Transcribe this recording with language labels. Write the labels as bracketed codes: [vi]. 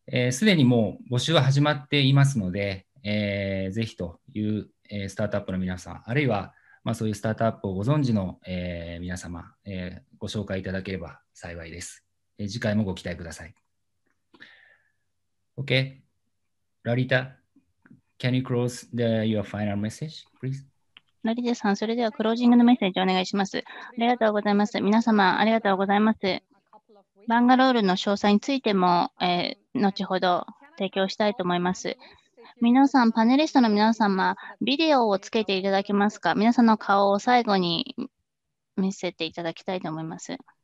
[ja] すでにもう募集は始まっていますので、ぜひというスタートアップの皆さん、あるいは、まあ、そういうスタートアップをご存知の、皆様、ご紹介いただければ幸いです。次回もご期待ください。 [en] OK. Lalita, can you close your final message, please? [ja] Lalita さん、それではクロージングのメッセージをお願いします。ありがとうございます。皆様、ありがとうございます。バンガロールの詳細についても、後ほど提供したいと思います。皆さん、パネリストの皆様、ビデオをつけていただけますか？皆さんの顔を最後に見せていただきたいと思います。